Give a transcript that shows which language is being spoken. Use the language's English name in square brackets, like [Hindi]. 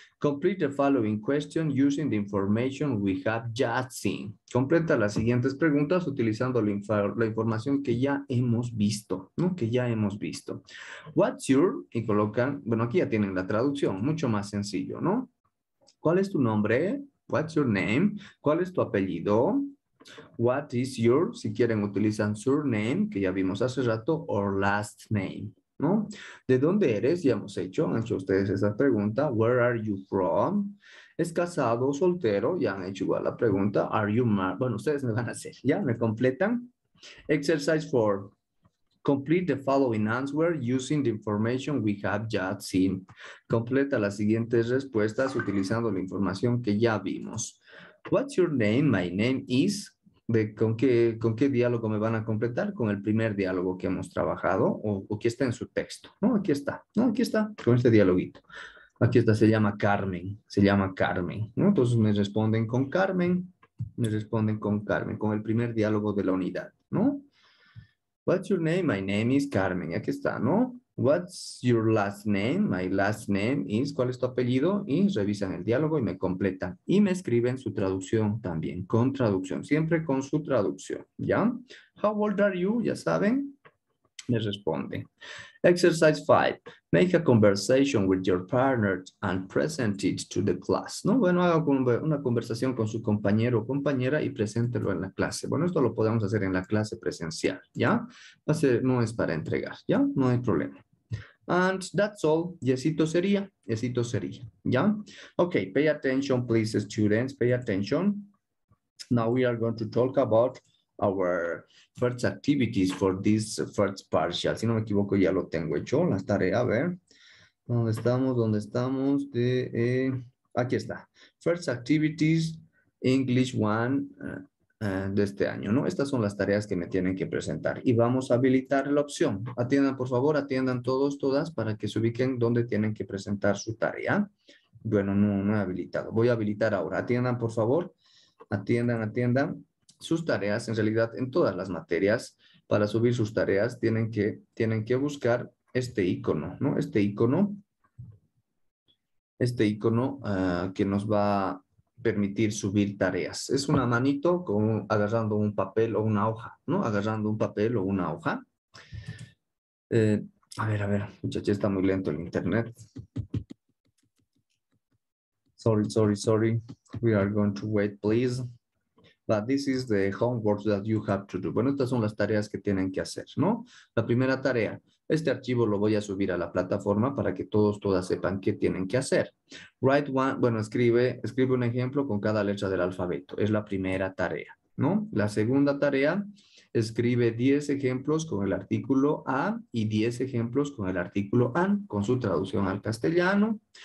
[English] Complete the following question using the information we have just seen. [Spanish] Completa las siguientes preguntas utilizando la información que ya hemos visto, ¿no? Que ya hemos visto. [English] What's your, [Spanish] y colocan, bueno, aquí ya tienen la traducción, mucho más sencillo, ¿no? ¿Cuál es tu nombre? [English] What's your name? [Spanish] ¿Cuál es tu apellido? [English] What is your, [Spanish] si quieren utilizan surname, que ya vimos hace rato, [English] or last name, [Spanish] ¿no? ¿De dónde eres? Ya hemos hecho, han hecho ustedes esa pregunta. [English] Where are you from? [Spanish] ¿Es casado o soltero? Ya han hecho igual la pregunta. [English] Are you married? [Spanish] Bueno, ustedes me van a hacer, ¿ya? ¿Me completan? [English] Exercise 4. Complete the following answer using the information we have just seen. [Spanish] Completa las siguientes respuestas utilizando la información que ya vimos. [English] What's your name? My name is... [Spanish] ¿De con qué diálogo me van a completar? Con el primer diálogo que hemos trabajado o que está en su texto. No, aquí está. No, aquí está. Con este dialoguito. Aquí está. Se llama Carmen. Se llama Carmen. ¿No? Entonces me responden con Carmen. Me responden con Carmen. Con el primer diálogo de la unidad. ¿No? [English] What's your name? My name is Carmen. [Spanish] Aquí está, ¿no? [English] What's your last name? My last name is... [Spanish] ¿Cuál es tu apellido? Y revisan el diálogo y me completan. Y me escriben su traducción también, con traducción. Siempre con su traducción, ¿ya? [English] How old are you? [Spanish] Ya saben. Me responde. Exercise 5. [English] Make a conversation with your partner and present it to the class. [Spanish] ¿No? Bueno, haga una conversación con su compañero o compañera y preséntelo en la clase. Bueno, esto lo podemos hacer en la clase presencial, ¿ya? No es para entregar, ¿ya? No hay problema. [English] And that's all. [Spanish] Yesito sería, ¿ya? [English] Ok, pay attention, please, students, pay attention. Now we are going to talk about our first activities for this first partial. [Spanish] Si no me equivoco, ya lo tengo hecho, las tareas, a ver. ¿Dónde estamos? Aquí está. [English] First activities, English 1 [Spanish] de este año, ¿no? Estas son las tareas que me tienen que presentar. Y vamos a habilitar la opción. Atiendan, por favor, atiendan todos, todas, para que se ubiquen dónde tienen que presentar su tarea. Bueno, no he habilitado. Voy a habilitar ahora. Atiendan, por favor. Atiendan. Sus tareas, en realidad, en todas las materias, para subir sus tareas, tienen que buscar este icono, ¿no? Este icono que nos va a permitir subir tareas. Es una manito agarrando un papel o una hoja, ¿no? Agarrando un papel o una hoja. A ver, muchachos, está muy lento el internet. [English] Sorry, sorry, sorry. We are going to wait, please. But this is the homework that you have to do. [Spanish] Bueno, estas son las tareas que tienen que hacer, ¿no? La primera tarea. Este archivo lo voy a subir a la plataforma para que todos, todas sepan qué tienen que hacer. [English] Write one, [Spanish] bueno, escribe un ejemplo con cada letra del alfabeto. Es la primera tarea, ¿no? La segunda tarea, escribe 10 ejemplos con el artículo a y 10 ejemplos con el artículo an, con su traducción al castellano.